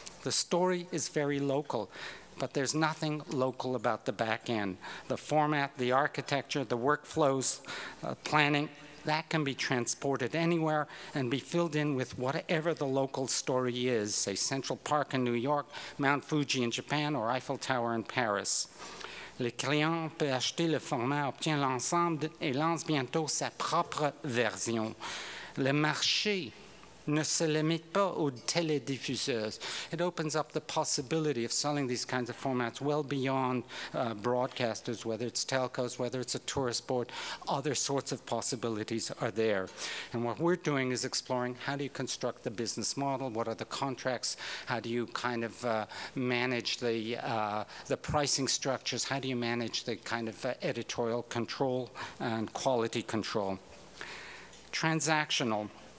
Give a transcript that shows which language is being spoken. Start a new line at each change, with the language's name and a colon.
English: The story is very local, but there's nothing local about the back end. The format, the architecture, the workflows, planning, that can be transported anywhere and be filled in with whatever the local story is, say Central Park in New York, Mount Fuji in Japan, or Eiffel Tower in Paris.
French: Le client peut acheter le format, obtient l'ensemble et lance bientôt sa propre version. Le marché ne se limite pas aux télédiffuseurs.
English: It opens up the possibility of selling these kinds of formats well beyond broadcasters, whether it's telcos, whether it's a tourist board, other sorts of possibilities are there. And what we're doing is exploring how do you construct the business model, what are the contracts, how do you kind of manage the pricing structures, how do you manage the kind of editorial control and quality control. Transactional.